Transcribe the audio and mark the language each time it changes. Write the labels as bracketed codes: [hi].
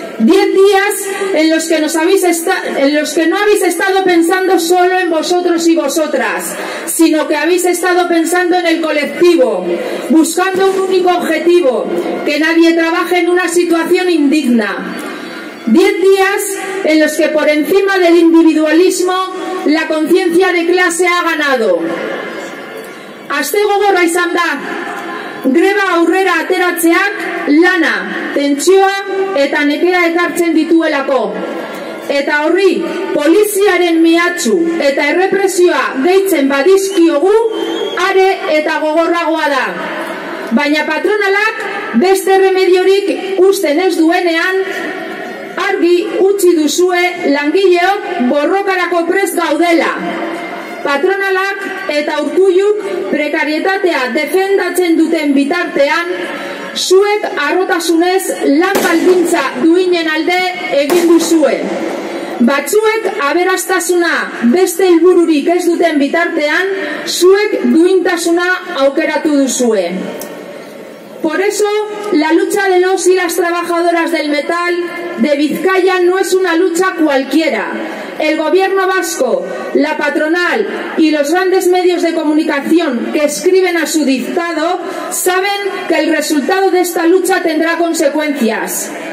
[es] 10 días en los que no habéis estado pensando solo en vosotros y vosotras, sino que habéis estado pensando en el colectivo, buscando un único objetivo, que nadie trabaje en una situación indigna. 10 días en los que por encima del individualismo, la conciencia de clase ha ganado. [eu] Aste gogorra izan da. Greba aurrera ateratzeak lana, tentsioa eta nekea ekartzen dituelako. Eta horri, poliziaren mehatxu eta errepresioa gehitzen badizkiogu, are eta gogorragoa da. Baina patronalak beste remediorik usten ez duenean, argi utzi duzue langileok borrokarako prest gaudela. Patronalak eta Urkulluk prekarietatea defendatzen duten bitartean, zuek harrotasunez lan baldintza duinen alde egin duzue. Batzuek aberastasuna beste helbururik ez duten bitartean, zuek duintasuna aukeratu duzue. [es] Por eso, la lucha de los y las trabajadoras del metal de Bizkaia no es una lucha cualquiera. El gobierno vasco, la patronal y los grandes medios de comunicación que escriben a su dictado saben que el resultado de esta lucha tendrá consecuencias.